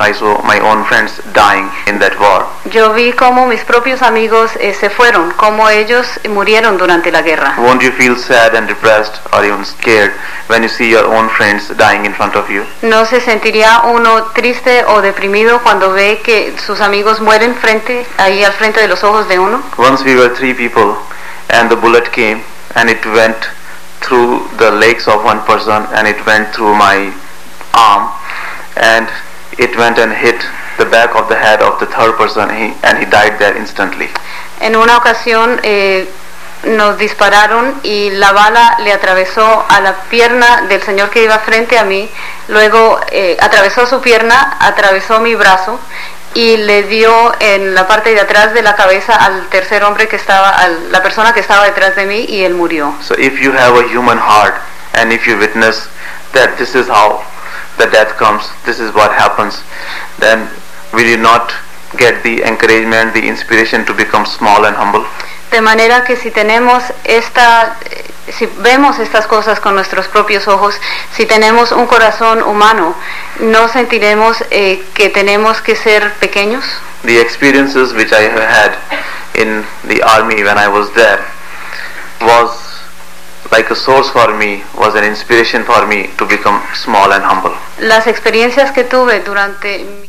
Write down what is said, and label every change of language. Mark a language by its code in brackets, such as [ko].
[en] I saw my own friends dying in that war. [es] Yo vi cómo mis propios amigos se fueron, cómo ellos murieron durante la guerra. [en] Won't you feel sad and depressed or even scared when you see your own friends dying in front of you? [es] ¿No se sentiría uno triste o deprimido cuando ve que sus amigos mueren al frente de los ojos de uno? [en] Once we were 3 people and the bullet came and it went through the legs of one person and it went through my arm and it went and hit the back of the head of the third person and he died there instantly [es] en una ocasión nos dispararon y la bala le atravesó a la pierna del señor que iba frente a mí, luego atravesó su pierna, atravesó mi brazo y le dio en la parte de atrás de la cabeza al tercer hombre que estaba, a la persona que estaba detrás de mí, y él murió. [en] So if you have a human heart and if you witness that this is how the death comes, this is what happens, then will you not get the encouragement, the inspiration to become small and humble? [es] De manera que si tenemos esta, si vemos estas cosas con nuestros propios ojos, si tenemos un corazón humano, ¿no sentiremos que tenemos que ser pequeños? [en] The experiences which I have had in the army when I was there was like a source for me, was an inspiration for me to become small and humble. [es] Las experiencias que tuve durante